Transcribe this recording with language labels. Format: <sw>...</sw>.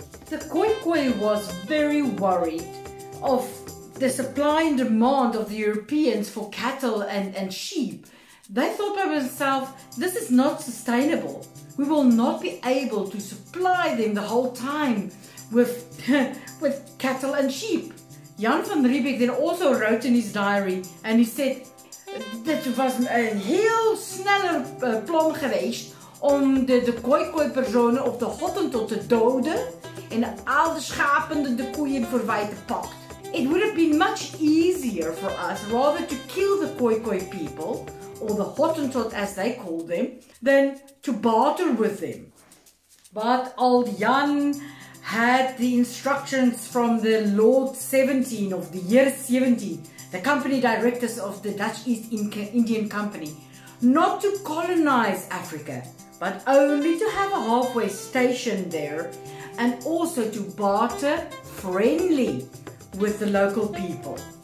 <en>The Khoikhoi was very worried of the supply and demand of the Europeans for cattle and sheep. They thought by themselves, this is not sustainable. We will not be able to supply them the whole time with with cattle and sheep. Jan van Riebeek then also wrote in his diary, and he said,</en> <nl>dit was een heel sneller plan geweest om de Khoikhoi personen op de Hottentot te doden en al de schapen de koeien voor wij te pakken.</nl> <en>It would have been much easier for us rather to kill the Khoikhoi people, or the Hottentot as they call them, than to barter with them. But old Jan had the instructions from the Lord 17 of the year 17, the company directors of the Dutch East Indian Company, not to colonize Africa, but only to have a halfway station there and also to barter friendly with the local people.</en>